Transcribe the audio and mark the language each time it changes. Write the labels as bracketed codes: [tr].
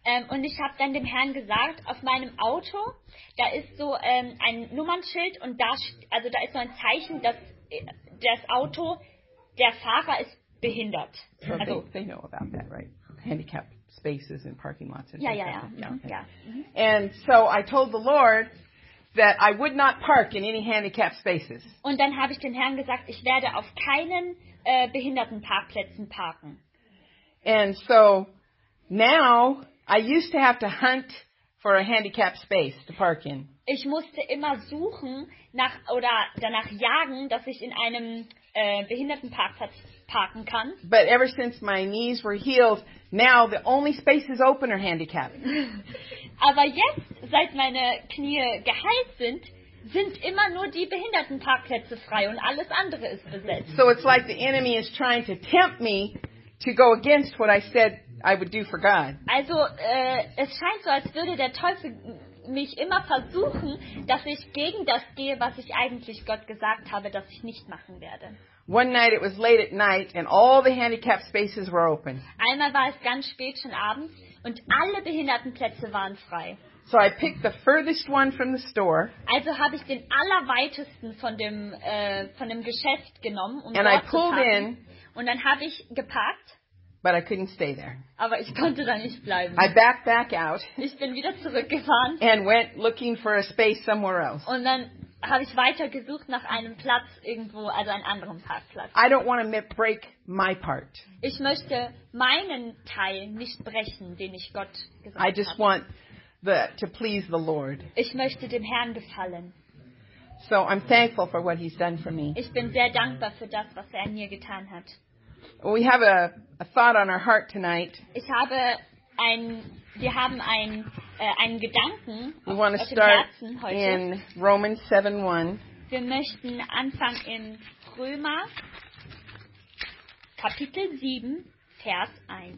[de] Und ich habe dann dem Herrn gesagt, auf meinem Auto, da ist so ein Nummernschild und da ist so ein Zeichen, dass das Auto, der Fahrer ist behindert. [en] Okay. Also, they know about that, right? Handicap spaces and parking lots. [de] Ja, ja, ja. [en] Yeah. And so I told the Lord that I would not park in any handicap spaces. [de] Und dann habe ich dem Herrn gesagt, ich werde auf keinen Behindertenparkplätzen parken. [en] And so now I used to have to hunt for a handicapped space to park in. [de] Ich musste immer suchen nach oder danach jagen, dass ich in einem Behindertenparkplatz parken kann. [en] But ever since my knees were healed, now the only spaces open are handicapped. [de] Aber jetzt, seit meine Knie geheilt sind, sind immer nur die Behindertenparkplätze frei und alles andere ist besetzt. [en] So it's like the enemy is trying to tempt me to go against what I said I would do for God. [de] Also, es scheint so, als würde der Teufel mich immer versuchen, dass ich gegen das gehe, was ich eigentlich Gott gesagt habe, dass ich nicht machen werde. [en] One night it was late at night and all the handicapped spaces were open. [de] Einmal war es ganz spät schon abends und alle Behindertenplätze waren frei. [en] So I picked the furthest one from the store. [de] Also habe ich den allerweitesten von dem Geschäft genommen, um [en] and [de] dort [en] I pulled [de] zu parken. [en] In, [de] und dann habe ich geparkt. [en] But I couldn't stay there. [de] Aber ich konnte da nicht bleiben. [en] I backed back out. [de] Ich bin wieder zurückgefahren. [en] And went looking for a space somewhere else. [de] Und dann habe ich weiter gesucht nach einem Platz irgendwo, also einen anderen Parkplatz. [en] I don't want to break my part. [de] Ich möchte meinen Teil nicht brechen, den ich Gott gesagt [en] I just [de] habe. [en] Want the, to please the Lord. [de] Ich möchte dem Herrn gefallen. [en] So I'm thankful for what he's done for me. [de] Ich bin sehr dankbar für das, was er mir getan hat. [en] We have a thought on our heart tonight. [de] Ich habe ein, wir haben ein, einen Gedanken [en] we want to start in Romans 7:1. [de] Wir möchten anfangen in Römer Kapitel 7, Vers 1.